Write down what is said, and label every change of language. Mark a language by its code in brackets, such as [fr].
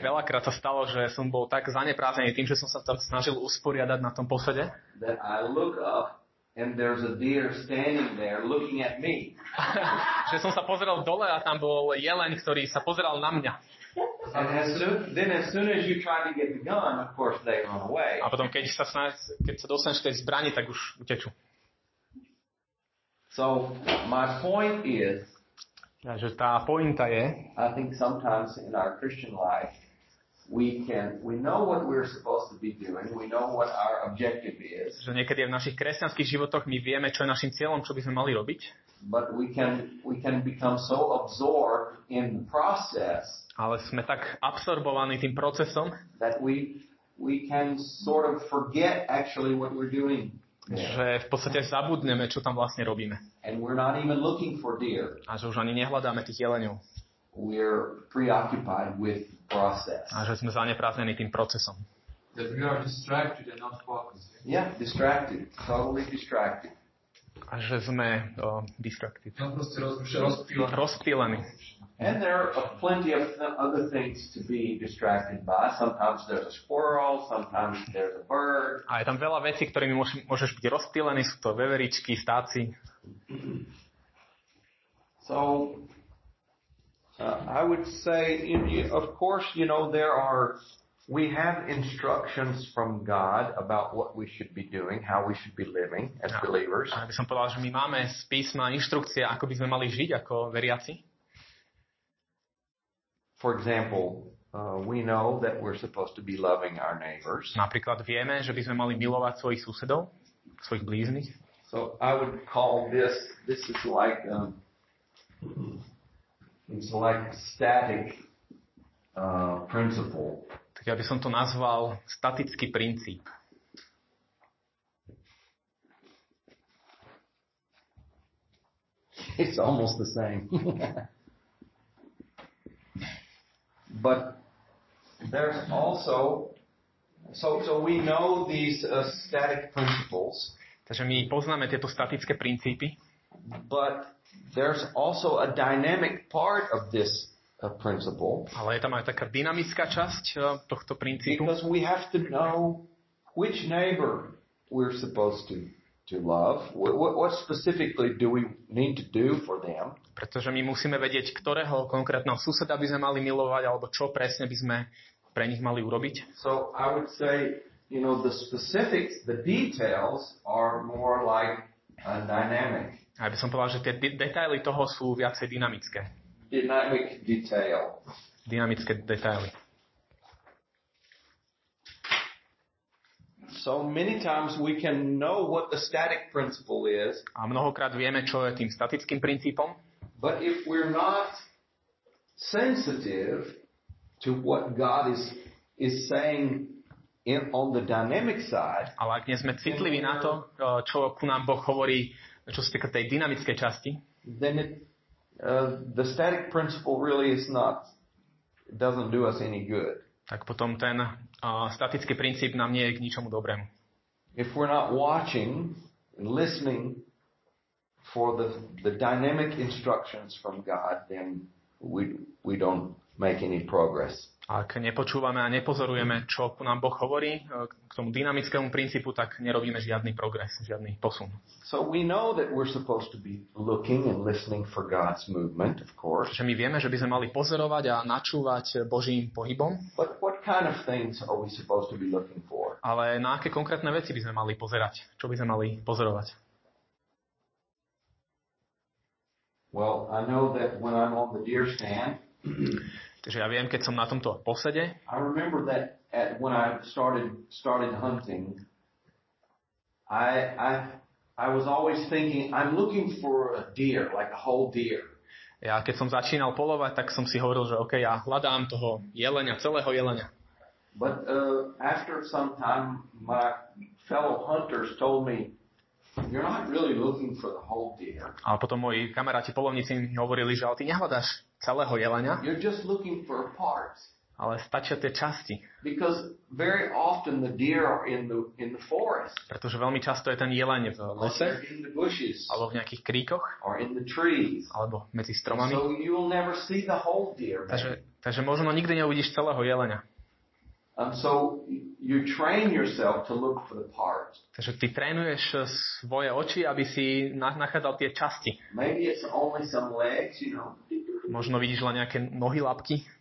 [sk] Veľakrát sa stalo, že som bol tak zaneprázdnený tým, že som sa tam snažil usporiadať na tom posede. [en] That I look up and there's a deer standing there looking at me. [sk] Že som sa pozrel dole a tam bol jeleň, ktorý sa pozeral na mňa. [en] And as soon as you try to get the gun, of course they run away. [sk] A potom keď sa dostaneš k tej zbrani, tak už utečú. [en] So my point is, [sk] že tá pointa je, [en] I think sometimes in our Christian life we know what we're supposed to be doing, we know what our objective is. [sk] Že niekedy v našich kresťanských životoch my vieme, čo je našim cieľom, čo by sme mali robiť. [en] But we can become so absorbed in the process. [sk] Ale sme tak absorbovaní tým procesom, [en] that we can sort of forget actually what we're doing. [sk] Že v podstate zabudneme, čo tam vlastne robíme. [en] And we're not even looking for deer. [sk] A že už ani nehľadáme tých jeleniov. [en] We're preoccupied with process. [sk] A že sme zaneprázdnení tým procesom. [en] That we are distracted and not focused. Yeah, distracted. Totally distracted. [sk] A že sme distracted. No, proste rozpílení. Rozpílení. [en] And there are plenty of other things to be distracted by. Sometimes there's a squirrel, sometimes there's a bird. [sk] A je tam veľa vecí, ktorými môžeš byť rozptýlený, sú to veveričky, stáci. [en] So I would say of course, you know, we have instructions from God about what we should be doing, how we should be living as believers. [sk] A by som povedal, že my máme z písma inštrukcie, ako by sme mali žiť ako veriaci. [en] For example, we know that we're supposed to be loving our neighbors. [sk] Napríklad vieme, že by sme mali milovať svojich susedov, svojich blíznych. [en] So I would call this is like it's like static principle. [sk] Tak ja by som to nazval statický princíp. [en] It's almost the same. But there's also so we know these static principles. [sk] Takže my poznáme tieto statické princípy. [en] But there's also a dynamic part of this principle. [sk] Ale je tam aj taká dynamická časť tohto princípu. [en] Because we have to know which neighbor we're supposed to love. What specifically do we need to do for them? [sk] Pretože my musíme vedieť, ktorého konkrétneho suseda by sme mali milovať alebo čo presne by sme pre nich mali urobiť. [en] So I would say, you know, the specifics, the details are more like a dynamic. [sk] A by som povedal, že tie detaily toho sú viacej dynamické. [en] Dynamic detail. [sk] Dynamické detaily. [en] So many times we can know what the static principle is. [sk] A mnohokrát vieme, čo je tým statickým princípom. [en] But if we're not sensitive to what God is saying on the dynamic side. [sk] Ale ak nie sme citliví na to, čo ku nám Boh hovorí, čo sa týka tej dynamickej časti, [en] then the static principle really is not, doesn't do us any good. [sk] Tak potom ten statický princíp nám nie je k ničomu dobrému. [en] If we're not watching and listening for the dynamic instructions from God, then we don't make any progress. [sk] Ak nepočúvame a nepozorujeme, čo nám Boh hovorí k tomu dynamickému princípu, tak nerobíme žiadny progres, žiadny posun. [en] So we know that we're supposed to be looking and listening for God's movement, of course. [sk] Takže my vieme, že by sme mali pozorovať a načúvať Božím pohybom. [en] But what kind of things are we supposed to be looking for? [sk] Ale na aké konkrétne veci by sme mali pozerať? Čo by sme mali pozorovať? [en] Well, I know that when I'm on the deer stand, [sk] takže ja viem, keď som na tomto posede. [en] I remember that when I started hunting, I was always thinking, I'm looking for a deer, like a whole deer. [sk] Ja keď som začínal polovať, tak som si hovoril, že okay, ja hľadám toho jelenia, celého jelenia. [en] But after some time my fellow hunters told me, you're not really looking for the whole deer. [sk] A potom moji kamaráti polovníci mi hovorili, že ale ty nehľadáš celého jelenia. [en] You're just looking for parts. [sk] Ale stačia tie časti. [en] Because very often the deer are in the forest. [sk] Pretože veľmi často je ten jeleň v lese. [en] In the bushes. [sk] Alebo v nejakých kríkoch. [en] Or in the trees. [sk] Alebo medzi stromami. [en] So you will never see the whole deer. [sk] Takže možno nikdy neuvidíš celého jelenia. [en] And so you train yourself to look for the parts. [sk] Takže ty trénuješ svoje oči, aby si nachádzal tie časti. [en] Maybe it's only some legs, you know. [sk] Možno vidíš len nejaké nohy, labky.